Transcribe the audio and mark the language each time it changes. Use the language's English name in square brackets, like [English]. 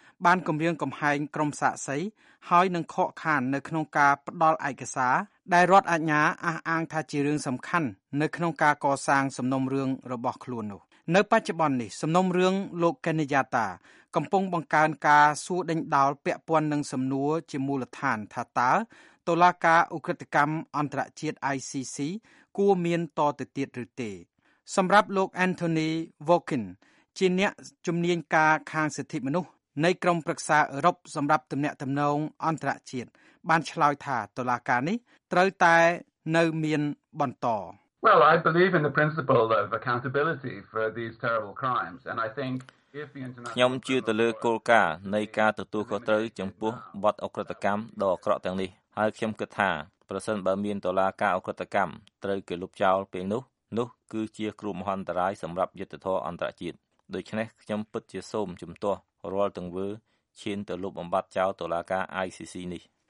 [Khmer] បានគម្រាមកំហែងក្រុមសាកសីហើយនឹងខកខាននៅក្នុងការផ្ដល់ឯកសារដែលរដ្ឋអាជ្ញាអះអាងថាជារឿងសំខាន់នៅក្នុងការកសាងសំណុំរឿងរបស់ខ្លួននោះនៅបច្ចុប្បន្ននេះសំណុំរឿងលោកកេនយ៉ាតាកំពុងបង្កើនការសួរដេញដោលពាក់ព័ន្ធនឹងសំណួរជាមូលដ្ឋានថាតើតុលាការឧក្រិដ្ឋកម្មអន្តរជាតិ ICC គួរមានតទៅទៀតឬទេ សម្រាប់លោកអានតូនីវ៉ូគិនជាអ្នកជំនាញការខាងសិទ្ធិមនុស្សនៃក្រុមប្រឹក្សាអឺរ៉ុបសម្រាប់ទំនាក់ទំនងអន្តរជាតិបានឆ្លើយថាតុលាការនេះត្រូវតែនៅមានបន្ត [English] Well I believe in the principle of accountability for these terrible crimes and I think if the international [Khmer] ខ្ញុំជឿទៅលើគោលការណ៍នៃការទទួលខុសត្រូវចំពោះបទអក្រកម្មដ៏អាក្រក់ទាំងនេះហើយខ្ញុំគិតថាប្រសិនបើមានតុលាការអក្រកម្មត្រូវគេលុបចោលពេលនោះនោះគឺជាគ្រោះមហន្តរាយសម្រាប់យុត្តិធម៌អន្តរជាតិដូច្នេះខ្ញុំពិតជាសូមជំទាស់រលទាំងវើឈានទៅលុបបំបត្តិចោលតុលាការ ICC នេះ